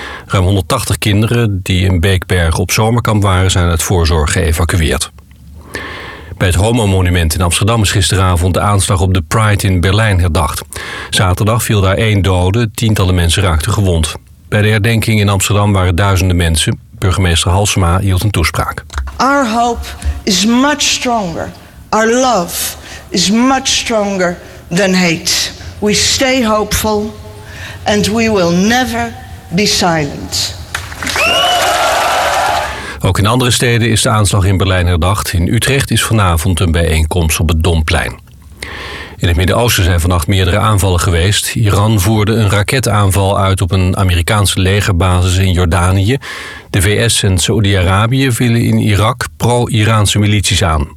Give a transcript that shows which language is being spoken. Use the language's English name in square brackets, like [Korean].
[Dutch] Ruim 180 kinderen die in Beekbergen op zomerkamp waren, zijn uit voorzorg geëvacueerd. Bij het Homo-monument in Amsterdam is gisteravond de aanslag op de Pride in Berlijn herdacht. Zaterdag viel daar 1 dode, tientallen mensen raakten gewond. Bij de herdenking in Amsterdam waren duizenden mensen. Burgemeester Halsema hield een toespraak. [English] Our hope is much stronger. Our love is much stronger than hate. We stay hopeful and we will never be silent. [Dutch] Ook in andere steden is de aanslag in Berlijn herdacht. In Utrecht is vanavond een bijeenkomst op het Domplein. In het Midden-Oosten zijn vannacht meerdere aanvallen geweest. Iran voerde een raketaanval uit op een Amerikaanse legerbasis in Jordanië. De VS en Saoedi-Arabië vielen in Irak pro-Iraanse milities aan.